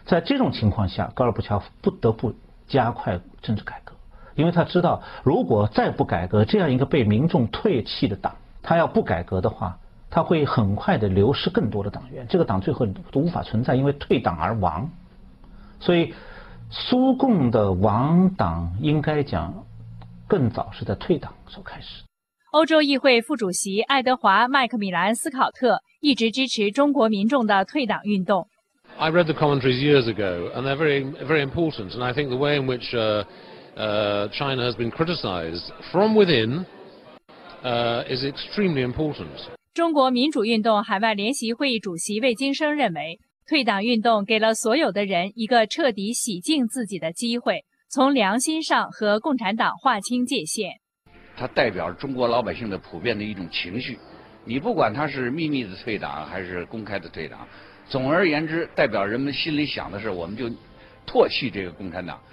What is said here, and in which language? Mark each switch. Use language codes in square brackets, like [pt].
[zh] 在这种情况下，戈尔巴乔夫不得不加快政治改革，因为他知道如果再不改革，这样一个被民众唾弃的党，他要不改革的话，他会很快的流失更多的党员，这个党最后都无法存在，因为退党而亡。所以苏共的亡党应该讲更早是在退党时候开始。欧洲议会副主席爱德华·麦克米兰·斯考特一直支持中国民众的退党运动。 [en] I read the commentaries years ago, and they're very, very important. And I think the way in which China has been criticized from within is extremely important. [zh] 中国民主运动海外联席会议主席魏京生认为，退党运动给了所有的人一个彻底洗净自己的机会，从良心上和共产党划清界限。它代表中国老百姓的普遍的一种情绪，你不管他是秘密的退党还是公开的退党，总而言之，代表人们心里想的是，我们就唾弃这个共产党。